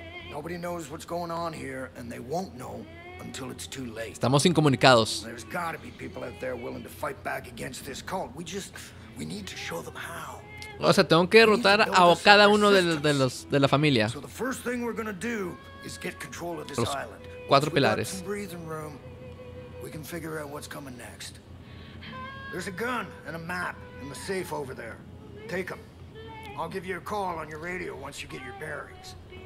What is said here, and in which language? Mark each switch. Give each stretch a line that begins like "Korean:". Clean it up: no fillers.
English: Nobody knows what's going on here, and they won't know until it's too late.
Spanish: Estamos incomunicados.
English: There's gotta be people out there willing to fight back against this cult. We need to show them how.
Spanish: O sea, tengo que derrotar a cada uno de la familia.
English: So the first thing we're gonna do is get control of this island.
Spanish: Cuatro pilares.
English: We can figure out what's coming next. There's a gun and a map in the safe over there. Take them. I'll give you a call on your radio once you get your bearings.